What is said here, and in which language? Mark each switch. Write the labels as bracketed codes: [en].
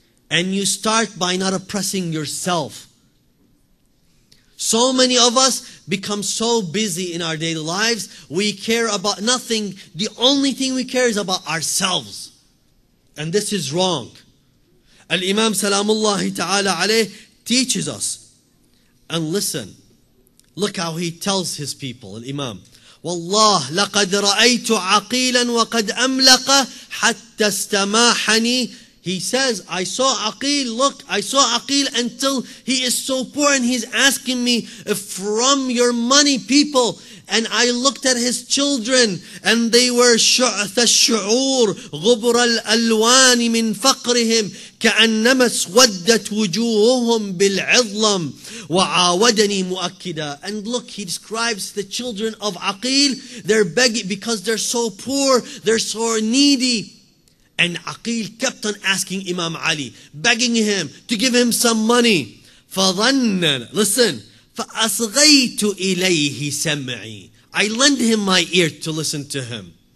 [en] And you start by not oppressing yourself. So many of us become so busy in our daily lives, we care about nothing. The only thing we care is about ourselves. And this is wrong. Al-Imam Salamullahi Ta'ala Alayh teaches us. And listen, look how he tells his people, Al-Imam. [ar] والله لقد رأيت عقيلا وقد أملق حتى استماحني. [en] He says, I saw عقيل, look, I saw عقيل until he is so poor and he's asking me from your money, people. And I looked at his children and they were [ar] شعث الشعور غبر الألوان من فقرهم كأنما اسودت وجوههم بالعظلم وعاودني مؤكدا. [en] And look, he describes the children of عقيل, they're begging because they're so poor, they're so needy. And عقيل kept on asking Imam Ali, begging him to give him some money. فَظَنَّ Listen. [ar] فَأَصْغَيْتُ إِلَيْهِ سَمْعِي [en] I lend him my ear to listen to him.